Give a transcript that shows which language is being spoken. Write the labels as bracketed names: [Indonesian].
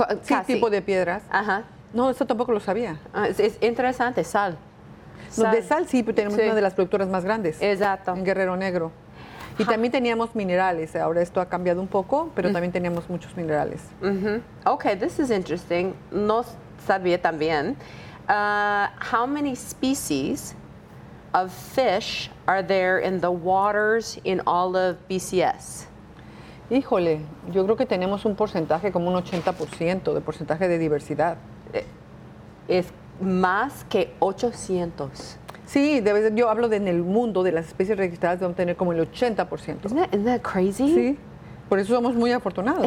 [Spanish] Sí, tipo de piedras. Ajá. No, eso tampoco lo sabía. Es interesante, sal. No, de sal sí, pero tenemos una de las productoras más grandes. Exacto. En Guerrero Negro. Y también teníamos minerales. Ahora esto ha cambiado un poco, pero también teníamos muchos minerales. [English] Mm-hmm. Okay, this is interesting. [Spanish] No sabía también. [English] How many species of fish are there in the waters in all of BCS? [Spanish] Híjole, yo creo que tenemos un porcentaje como un 80% de porcentaje de diversidad. Es más que 800. Sí, yo hablo de en el mundo, de las especies registradas, deben tener como el 80%. [English] Isn't that crazy? [Spanish] Sí, por eso somos muy afortunados.